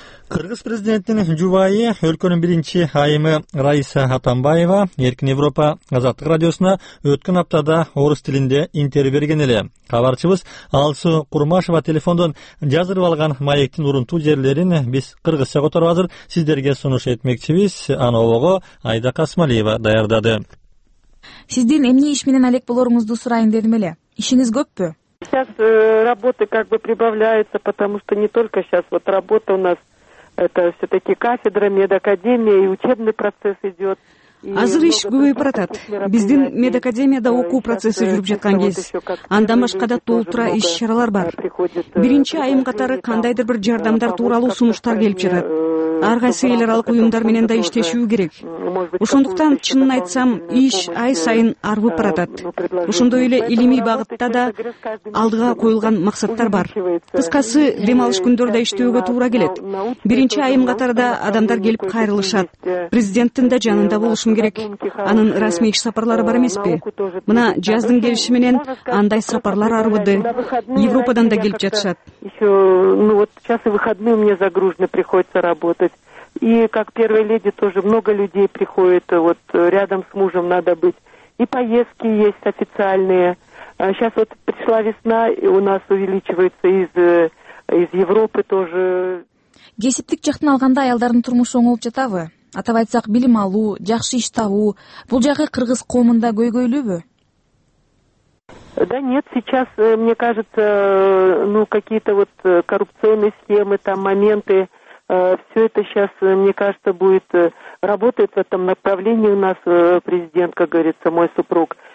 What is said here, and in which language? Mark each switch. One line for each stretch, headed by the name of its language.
Kyrgyz: Кыргыз президентинин жубайы өлкөнүн биринчи айымы Раиса Атамбаева Эркин Европа Азаттык радиосуна өткөн аптада орус тилинде интервью берген эле. Кабарчыбыз Алсу Курмашева телефондон жазып алган маектин урунтуу жерлерин биз кыргызча которуп азыр сиздерге сунуш этмекчибиз. Аны обого Айда Касмалиева даярдады. Сиздин эмне иш менен алек болоруңузду сурайын дедим эле. Ишиңиз көппү?
Russian: Сейчас работы как бы прибавляются, потому что не только сейчас вот работа у нас. Это все-таки кафедра, медакадемия и учебный процесс идет.
Kyrgyz: Азыр иш көбөйүп баратат. Биздин медакадемияда окуу процесси жүрүп жаткан кез. Андан башка да толтура иш чаралар бар. Биринчи айым катары кандайдыр бир жардамдар тууралуу сунуштар келип жатат. Ар кайсы эл аралык уюмдар менен да иштешүү керек. Ошондуктан чынын айтсам, иш ай сайын арбып баратат. Ошондой эле илимий багытта да алдыга коюлган максаттар бар. Кыскасы, дем алыш күндөрү да иштөөгө туура келет. Биринчи айым катары да адамдар келип кайрылышат. Президенттин да жанында болушум керек. Анын расмий иш сапарлары бар эмеспи? Мына жаздын келиши менен андай сапарлар арбыды. Европадан да келип жатышат.
Russian: Сейчас выходные мне загружены, приходится работать. И как первой леди тоже много людей приходит, вот рядом с мужем надо быть. И поездки есть официальные. Сейчас вот пришла весна, и у нас увеличивается из Европы тоже.
Kyrgyz: Кесиптик жактан алганда аялдардын турмушу оңолуп жатабы? Атап айтсак, билим алуу, жакшы иш табуу, бул жагы кыргыз коомунда көйгөйлүүбү?
Russian: Да нет, сейчас, мне кажется, какие-то вот коррупционные схемы, там моменты, все это сейчас, мне кажется, будет работать в этом направлении у нас президент, как говорится, мой супруг.